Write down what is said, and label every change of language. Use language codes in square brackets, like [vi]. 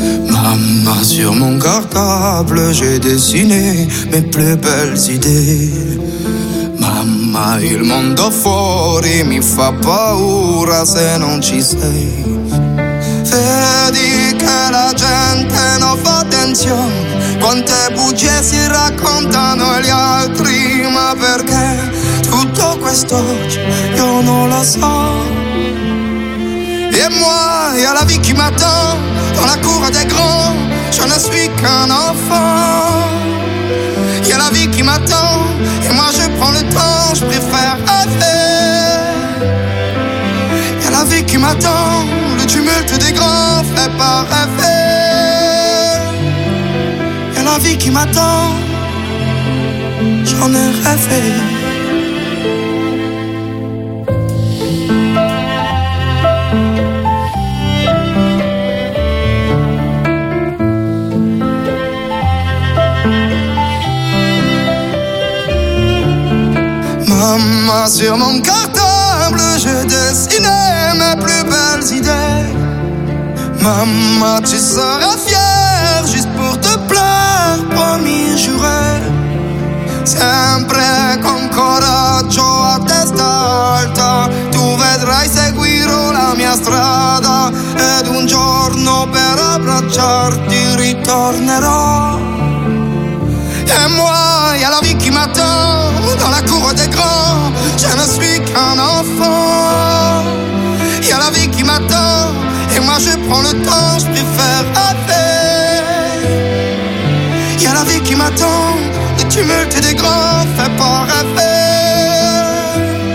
[fr] Maman, sur mon cartable, j'ai dessiné mes plus belles idées. [it] Maman, il mondo fuori mi fa paura se non ci sei. Vedi che la gente non fa attenzione, quante bugie si raccontano gli altri, ma perché tutto questo io non lo so. [fr] Et moi, il y a la vie qui m'attend dans la cour des grands, je ne suis qu'un enfant. Il y a la vie qui m'attend et moi je prends le temps, je préfère rêver. Il y a la vie qui m'attend, le tumulte des grands fait pas rêver. Il y a la vie qui m'attend, j'en ai rêvé. Maman, sur mon cartable, je dessinais mes plus belles idées. Maman, tu seras fière juste pour te plaire, promis juré. [it] Sempre con coraggio a testa alta, tu vedrai, seguirò la mia strada. Ed un giorno per abbracciarti ritornerò. [fr] Et moi, il y a la vie qui m'attend dans la cour des grands, je ne suis qu'un enfant. Il y a la vie qui m'attend et moi je prends le temps, je préfère rêver. Il y a la vie qui m'attend, le tumulte des grands fait pas rêver.